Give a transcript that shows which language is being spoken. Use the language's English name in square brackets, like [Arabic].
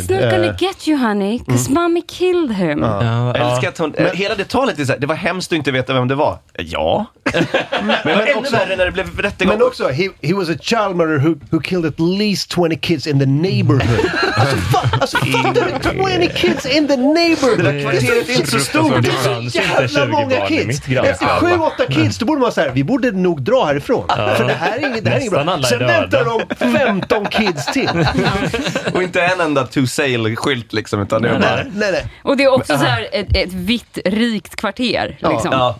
[English] He's not gonna get you, honey. Because mommy killed him. [Swedish] Älskar att hon, hela det talet är så här, det var hemskt att inte veta vem det var. Ja. men också, ännu värre när det blev rättegång. Men också, [English] he was a child murderer who killed at least 20 kids in the neighborhood. Alltså, fuck, 20 kids in the neighborhood. [Swedish] Det är inte så stort. Det är så jävla många kids. Det är 7-8 kids. Då borde man säga, vi borde nog dra härifrån. För det här är inget bra. Sen väntar de 15 kids till. Och inte en enda to sale-skylt liksom, utan det är bara... Nej. Och det är också så här ett vitt, rikt kvarter. Liksom.